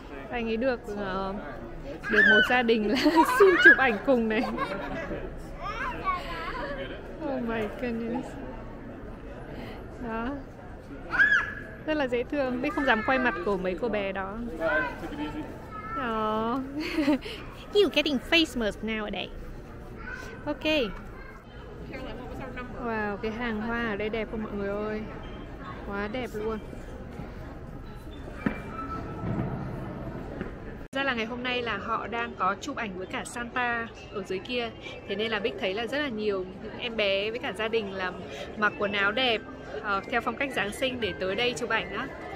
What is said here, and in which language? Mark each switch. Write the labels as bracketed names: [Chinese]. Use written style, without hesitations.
[Vietnamese] Anh ấy được một gia đình là xin chụp ảnh cùng này. [English] Oh my goodness. [Vietnamese] Đó. Rất là dễ thương, Bích không dám quay mặt của mấy cô bé đó. [English] Oh, you getting famous nowadays. Okay. [Vietnamese] Wow, cái hàng hoa ở đây đẹp không mọi người ơi? Quá đẹp luôn. Ra là ngày hôm nay là họ đang có chụp ảnh với cả Santa ở dưới kia. Thế nên là Bích thấy là rất là nhiều em bé với cả gia đình là mặc quần áo đẹp theo phong cách Giáng sinh để tới đây chụp ảnh á.